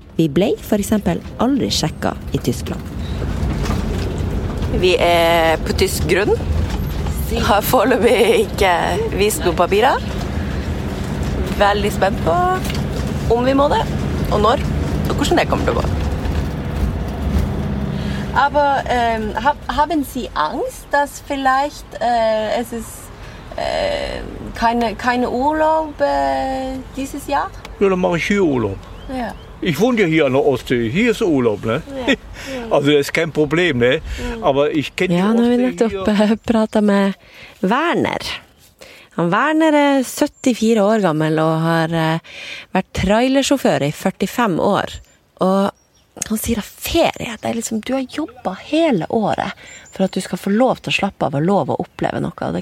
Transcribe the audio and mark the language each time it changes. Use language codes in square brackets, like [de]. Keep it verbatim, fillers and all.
[no] Vi ble for eksempel aldri sjekket i Tyskland. Vi er på tysk grunn. Har foreløpig ikke vist noen papirer. Veldig spent på om vi må det, og når, og hvordan det kommer til å gå. [de] Aber ähm, hab, haben Sie Angst, dass vielleicht äh, es ist äh, keine, keine Urlaub äh, dieses Jahr? Ja, dann mache ich hier Urlaub. Ja. Ich wohne ja hier an der Ostsee. Hier ist Urlaub, ne? Ja. [no] Altså, det er ikke et problem, det. Ja, nå har vi nettopp pratet med Werner. Han Werner er syttifire år gammel og har vært trailersjåfør i førtifem år. Og han sier at ferie, det er liksom, du har jobbet hele året for at du skal få lov til å slappe av og lov å oppleve noe.